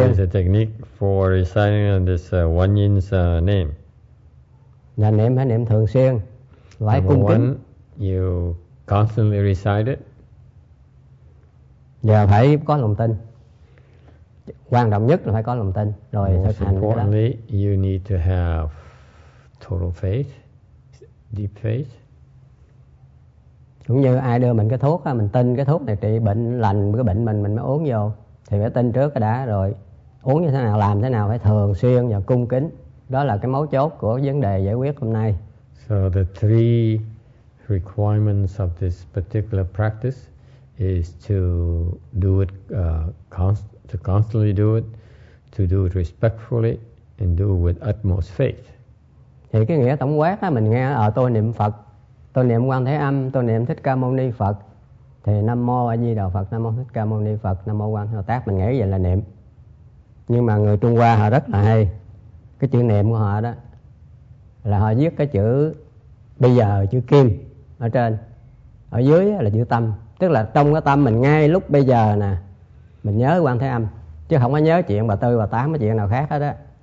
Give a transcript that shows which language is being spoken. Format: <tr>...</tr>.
<en>What is the technique for reciting this one yin's name?</en> <vi>Là niệm phải niệm thường xuyên, phải cung kính.</vi> <en>Number one, you constantly recite it.</en> <vi>Và phải có lòng tin. Quan trọng nhất là phải có lòng tin rồi thực hành cái đó.</vi> <en>Importantly, you need to have total faith, deep faith.</en> <vi>Cũng như ai đưa mình cái thuốc, mình tin cái thuốc này trị bệnh lành cái bệnh mình mới uống vô, thì phải tin trước cái đã, rồi uống như thế nào, làm thế nào, phải thường xuyên và cung kính. Đó là cái mấu chốt của vấn đề giải quyết hôm nay.</vi> <en>So the three requirements of this particular practice is to do it to constantly do it, to do it respectfully, and do it with utmost faith.</en> <vi>Thì cái nghĩa tổng quát á, mình nghe ở tôi niệm Phật, tôi niệm Quan Thế Âm, tôi niệm Thích Ca Mâu Ni Phật, thì Nam Mô A Di Đà Phật, Nam Mô Thích Ca Mâu Ni Phật, Nam Mô Quan Thế Âm Tát, mình nghĩ vậy là niệm. Nhưng mà người Trung Hoa họ rất là hay, cái chữ niệm của họ đó là họ viết cái chữ bây giờ, chữ kim ở trên, ở dưới là chữ tâm, tức là trong cái tâm mình ngay lúc bây giờ nè, mình nhớ Quan Thế Âm, chứ không có nhớ chuyện bà Tư, bà Tám, cái chuyện nào khác hết á.</vi>